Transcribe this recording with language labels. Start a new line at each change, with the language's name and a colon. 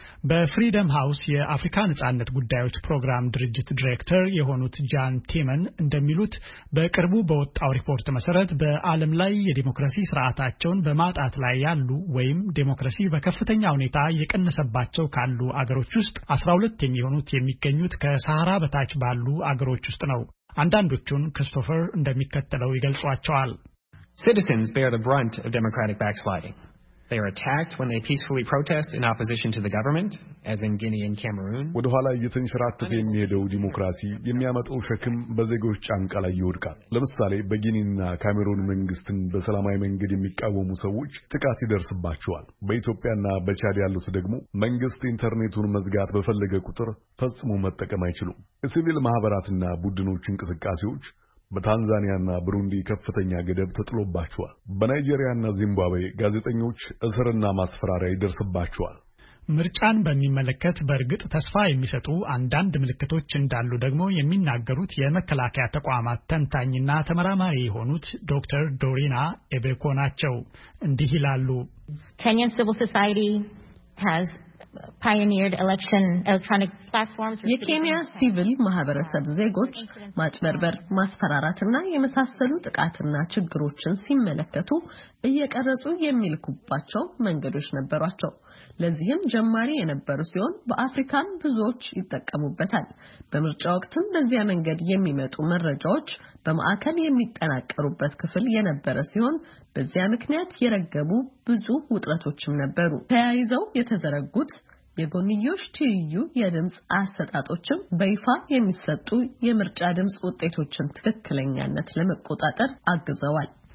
Amharic: በፍሪደም ሃውስ የአፍሪካ ነጻነት ጉዳዮች ፕሮግራም ድርጅት ዳይሬክተር የሆኑት ጃን ቲመን እንደሚሉት በቅርቡ በወጣው ሪፖርት መሰረት በዓለም ላይ የዲሞክራሲ ስርዓታቸውን በማጣት ላይ ያሉ ወይም ዲሞክራሲ በከፍተኛ ሁኔታ የቀነሰባቸው ካሉ አገሮች ውስጥ 12 የሚሆኑት የሚገኙት ከሳህራ በታች ባሉ አገሮች ውስጥ ነው። አንዳንዶቹን ክርስቶፈር እንደሚከተለው ይገልጿቸዋል።
English: Citizens bear the brunt of democratic backsliding. They are attacked when they peacefully protest in opposition to the government, as in Guinea and Cameroon.
Amharic: ወደ ኋላ እየተንሸራተተ የሚሄደው ዲሞክራሲ የሚያመጣው ሸክም በዜጎች ጫንቃ ላይ ይወድቃል። ለምሳሌ በጊኒና ካሜሩን መንግስትን በሰላማዊ መንገድ የሚቃወሙ ሰዎች ጥቃት ይደርስባቸዋል። በኢትዮጵያና በቻድ ያሉት ደግሞ መንግስት ኢንተርኔቱን መዝጋት በፈለገ ቁጥር ፈጽሞ መጠቀም አይችሉም። ሲቪል ማህበራትና ቡድኖች እንቅስቃሴዎች በታንዛኒያና ብሩንዲ ከፍተኛ ገደብ ተጥሎባቸዋል። በናይጄሪያና ዚምባብዌ ጋዜጠኞች እስርና ማስፈራሪያ ይደርስባቸዋል። ምርጫን በሚመለከት በርግጥ ተስፋ የሚሰጡ አንዳንድ ምልክቶች እንዳሉ ደግሞ የሚናገሩት የመከላከያ ተቋማት ተንታኝና ተመራማሪ የሆኑት ዶክተር ዶሪና ኤቤኮ ናቸው። እንዲህ ይላሉ።
English: Kenyan civil society has pioneered election electronic platforms.
Amharic: የኬንያ ሲቪል ማህበረሰብ ዜጎች ማጭበርበር፣ ማስፈራራትና የመሳሰሉ ጥቃትና ችግሮችን ሲመለከቱ እየቀረጹ የሚልኩባቸው መንገዶች ነበሯቸው። ለዚህም ጀማሪ የነበሩ ሲሆን በአፍሪካም ብዙዎች ይጠቀሙበታል። በምርጫ ወቅትም በዚያ መንገድ የሚመጡ መረጃዎች በማዕከል የሚጠናቀሩበት ክፍል የነበረ ሲሆን በዚያ ምክንያት የረገቡ ብዙ ውጥረቶችም ነበሩ። ተያይዘው የተዘረጉት የጎንዮሽ ትይዩ የድምጽ አሰጣጦችም በይፋ የሚሰጡ የምርጫ ድምጽ ውጤቶችን ትክክለኛነት ለመቆጣጠር አግዘዋል።